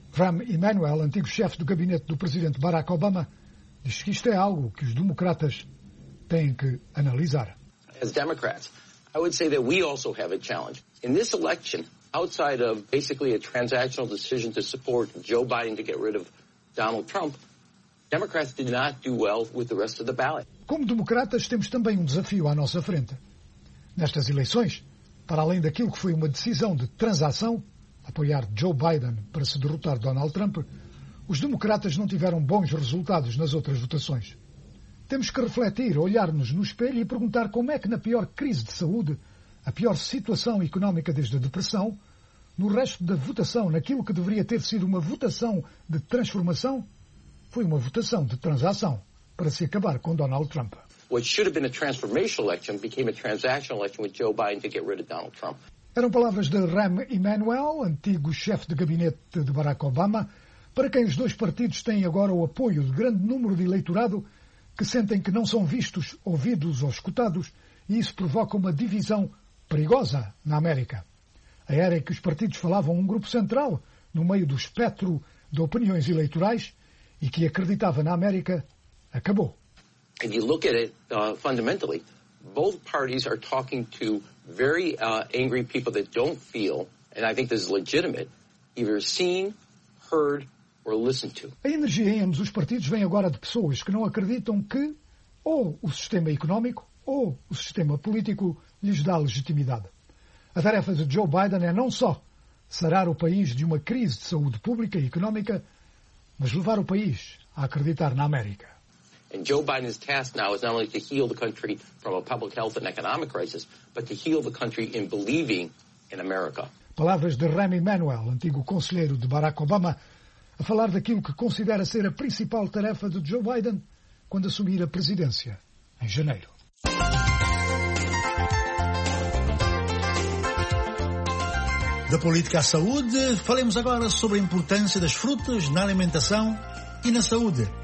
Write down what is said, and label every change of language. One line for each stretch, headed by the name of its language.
Portuguese: Rahm Emanuel, antigo chefe do gabinete do presidente Barack Obama, diz que isto é algo que os democratas têm que analisar.
English: As Democrats, I would say that we also have a challenge. In this election, outside of basically a transactional decision to support Joe Biden to get rid of Donald Trump, Democrats did not do well with the rest of the ballot.
Portuguese: Como democratas, temos também um desafio à nossa frente. Nestas eleições, para além daquilo que foi uma decisão de transação, apoiar Joe Biden para se derrotar Donald Trump, os democratas não tiveram bons resultados nas outras votações. Temos que refletir, olhar-nos no espelho e perguntar como é que na pior crise de saúde, a pior situação económica desde a depressão, no resto da votação, naquilo que deveria ter sido uma votação de transformação, foi uma votação de transação para se acabar com Donald Trump.
English: What should have been a transformational election became a transactional election with Joe Biden to get rid of Donald Trump.
Portuguese: Eram palavras de Rahm Emanuel, antigo chefe de gabinete de Barack Obama, para quem os dois partidos têm agora o apoio de grande número de eleitorado que sentem que não são vistos, ouvidos ou escutados, e isso provoca uma divisão perigosa na América. A era em que os partidos falavam um grupo central no meio do espectro de opiniões eleitorais e que acreditava na América acabou.
English: If you look at it fundamentally, both parties are talking to very angry people that don't feel, and I think this is legitimate, either seen, heard, or listened to.
Portuguese: A energia em ambos os partidos vem agora de pessoas que não acreditam que ou o sistema económico ou o sistema político lhes dá legitimidade. A tarefa de Joe Biden é não só sarar o país de uma crise de saúde pública e económica, mas levar o país a acreditar na América.
English: And Joe Biden's task now is not only to heal the country from a public health and economic crisis, but to heal the country in believing in America.
Portuguese: Palavras de Rahm Emanuel, antigo conselheiro de Barack Obama, a falar daquilo que considera ser a principal tarefa de Joe Biden quando assumir a presidência em janeiro. Da política à saúde, falemos agora sobre a importância das frutas na alimentação e na saúde.